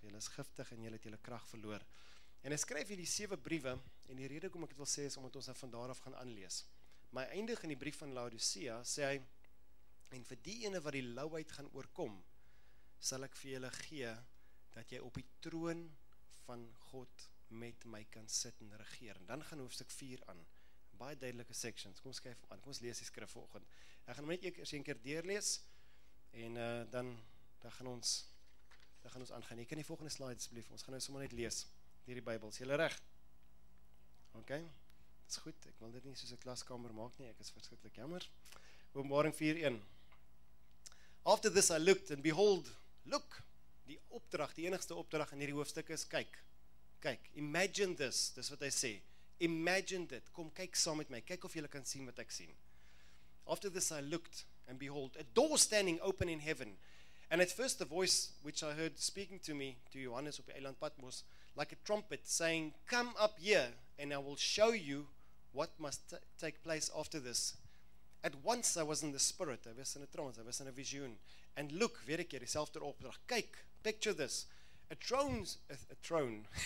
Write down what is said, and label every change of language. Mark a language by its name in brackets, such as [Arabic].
[Afrikaans] Julle is giftig en julle het julle krag verloor. En hy skryf hierdie 7 briewe en die rede hoekom ek dit wil sê is omdat ons dit van daar af gaan aanlees. Maar eindig in die brief van Laodicea sê hy en vir die ene wat die louheid gaan oorkom, sal ek vir julle gee dat jy op die troon van God met my kan sit en regeer. En dan gaan hoofstuk 4 aan. Baie duidelike sections. Kom skryf aan. Kom ons lees die skrif vanoggend. Ek gaan hom net eers een keer deurlees en dan gaan ons aangaan. Jy kan die volgende slide asseblief. Ons gaan nou sommer net lees hierdie Bybel. Is jy reg? OK. Dis goed. Ek wil dit nie soos 'n klaskamer maak nie. Ek is verskriklik jammer. Openbaring 4:1. [English] After this I looked and behold, look. [Afrikaans] Die opdrag, die enigste opdrag in hierdie hoofstuk is kyk. Kyk, [English] imagine this, [Afrikaans] dis wat hy sê. Imagine dit, kom kyk saam met my, kyk of jy kan sien wat ek sien. [English] After this I looked, and behold, a door standing open in heaven. And at first the voice which I heard speaking to me, to Johannes [Afrikaans] op die eiland Patmos, [English] like a trumpet saying, come up here, and I will show you what must take place after this. At once I was in the spirit, I was in a trance, I was in a vision. And look, [Afrikaans] weer ek hier, die selfde opdrag, kyk, [English] picture this. A throne.